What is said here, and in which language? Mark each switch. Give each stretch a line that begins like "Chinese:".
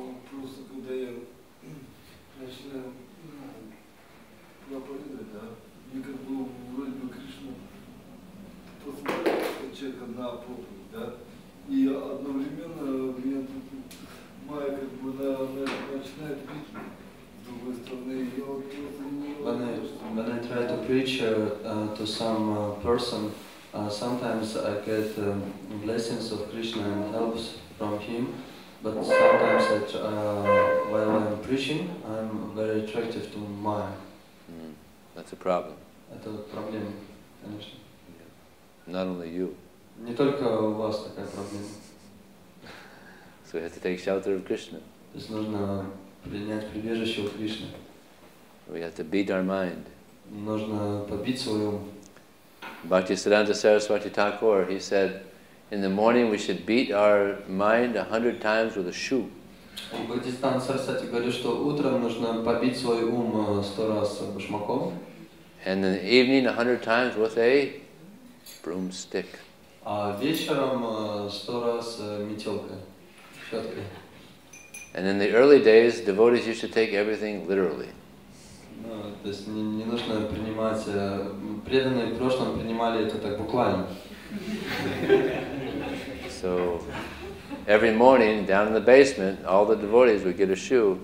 Russian: Просто когда я начинаю проповедовать, да, мне как бы вроде бы Кришна посмотрел человека на проповедь, да, и одновременно меня тут Майя как бы начинает бить.
English: When I try to preach to some person, sometimes I get blessings of Krishna and helps from him, but sometimes while I'm preaching, I'm very attractive to Maya. That's a problem.
Russian: Это проблема, конечно.
English: Not only you.
Russian: Не только у вас такая проблема.
English: So we have to take shelter of Krishna.
Russian: То есть нужно принять прибежище у Кришны.
English: We have to beat our mind.
Russian: Нужно побить свой ум.
English: Bhaktisiddhanta Saraswati Thakur, he said, in the morning we should beat our mind 100 times with a shoe.
Russian: Bhaktisiddhanta Saraswati говорит, что утром нужно побить свой ум 100 раз башмаком.
English: And in the evening 100 times with a broomstick.
Russian: А вечером 100 раз метелкой, щеткой.
English: And in the early days, devotees used to take everything literally.
Russian: То есть не нужно принимать, преданные в прошлом принимали это так буквально.
English: So, every morning, down in the basement, all the devotees would get a shoe.